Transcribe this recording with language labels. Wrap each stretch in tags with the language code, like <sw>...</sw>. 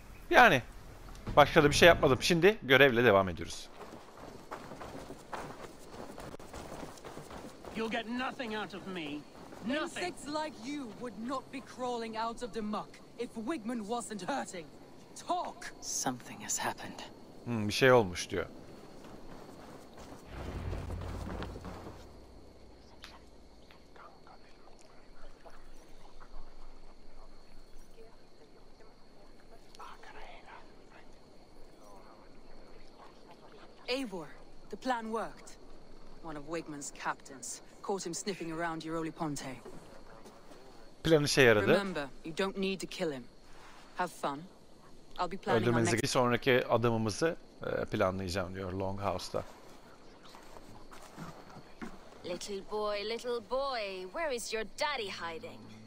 <tr>Yani başka da bir şey yapmadım. Şimdi görevle devam ediyoruz.</tr> <en>You'll get nothing out of me. Nothing. Insects like you would not be crawling out of the muck if Wigman wasn't hurting. Talk. Something has happened.</en> <tr>Bir şey olmuş diyor.</tr> <en>Eivor, the plan worked. One of Wigman's captains caught him sniffing around Eurolyponte.</en> <tr>Planı işe yaradı.</tr> <en>Remember, you don't need to kill him. Have fun. I'll be planning our next.</en> <tr>Sonraki adımımızı planlayacağım diyor Longhouse'da.</tr> <en>Little boy, little boy, where is your daddy hiding?</en>